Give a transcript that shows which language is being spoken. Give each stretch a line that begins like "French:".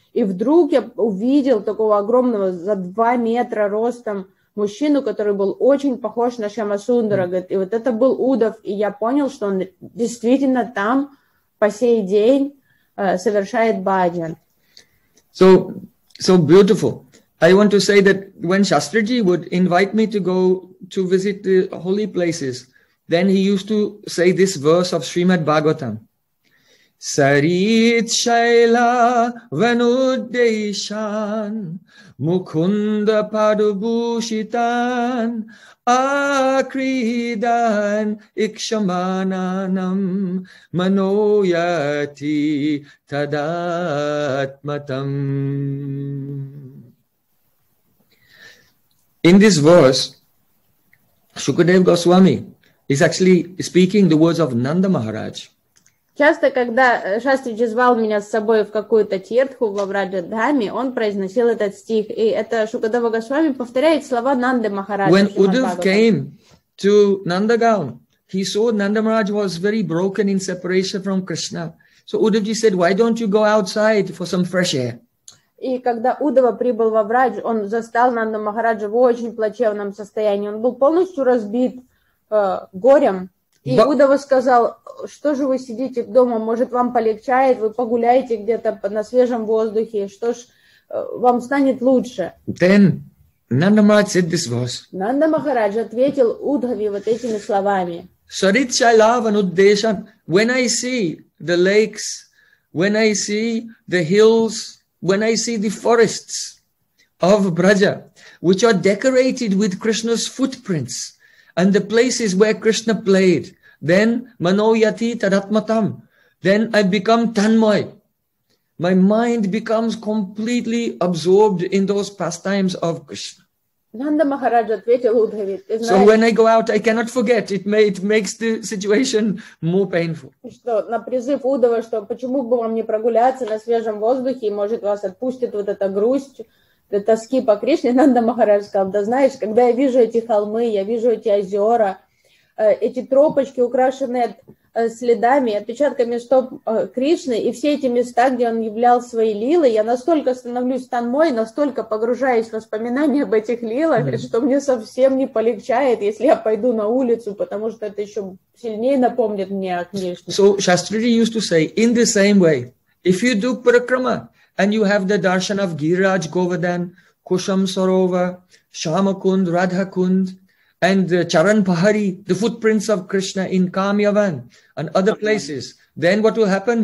Russian: И вдруг я увидел такого огромного, за 2 метра ростом, мужчину, который был очень похож на Шамасундара. Говорит, и вот это был Удав. И я понял, что он действительно там по сей день совершает баджан.
English: So beautiful. I want to say that when Shastriji would invite me to go to visit the holy places, then he used to say this verse of Srimad Bhagavatam.
Sanskrit: Sarit Shaila Venudeshan Mukunda Padubhushitan Akridan Ikshamananam Manoyati Tadatmatam.
English: In this verse, Shukadev Goswami is actually speaking the words of Nanda Maharaj.
Russian: Часто, когда Шастриджи звал меня с собой в какую-то тиртху во Враджа-дхаме, он произносил этот стих. И это Шукадева Госвами повторяет слова Нанды Махараджа.
English: When Uddhav came to Nandagaon, he saw Nanda Maharaj was very broken in separation from Krishna. So Uddhavji said, why don't you go outside for some fresh air?
Russian: И когда Удава прибыл во Врадж, он застал Нанду Махараджа в очень плачевном состоянии. Он был полностью разбит горем. И Удава сказал, что же вы сидите дома, может, вам полегчает, вы погуляете где-то на свежем воздухе, что ж, вам станет лучше.
English: Then Nanda Maharaj said this verse.
Russian: Нанда Махарадж ответил Удхаве вот этими словами.
Sanskrit: Sarit Shailavan Uddeshan.
English: When I see the lakes, when I see the hills, when I see the forests of Braja, which are decorated with Krishna's footprints, and the places where Krishna played, then
Sanskrit: manoyati tadatmatam,
English: then I become tanmoy. My mind becomes completely absorbed in those pastimes of Krishna.
Russian: Nanda Maharaj ответил Удхаве.
English: So when I go out, I cannot forget. It makes the situation more painful.
Russian: Что на призыв Удхава, что почему бы вам не прогуляться на свежем воздухе, может вас отпустит вот эта грусть. Для тоски по Кришне Нанда Махарадж сказал, да знаешь, когда я вижу эти холмы, я вижу эти озера, эти тропочки, украшенные следами, отпечатками стоп Кришны, и все эти места, где он являл свои лилы, я настолько становлюсь танмой, настолько погружаюсь в воспоминания об этих лилах, что мне совсем не полегчает, если я пойду на улицу, потому что это еще сильнее напомнит мне о Кришне.
English: So Shastriji used to say, in the same way, if you do parakrama, and you have the darshan of Giriraj Govardhan, Kusham Sarova, Shamakund, Radhakund, and Charan Pahari, the footprints of Krishna in Kamyavan and other places, then what will happen?